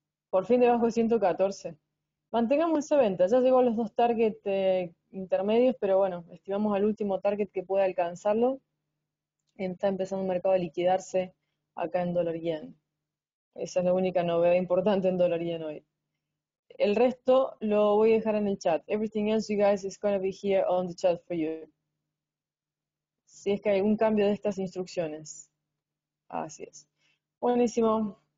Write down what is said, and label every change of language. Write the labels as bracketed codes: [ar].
[es] Por fin debajo de 114. Mantengamos esa venta, ya llegó a los dos targets intermedios, pero bueno, estimamos al último target que pueda alcanzarlo. Está empezando el mercado a liquidarse acá en dólar yen. Esa es la única novedad importante en dólar yen hoy. El resto lo voy a dejar en el chat. [en] Everything else, you guys, is going to be here on the chat for you. [es] Si es que hay algún cambio de estas instrucciones. Así es. Buenísimo.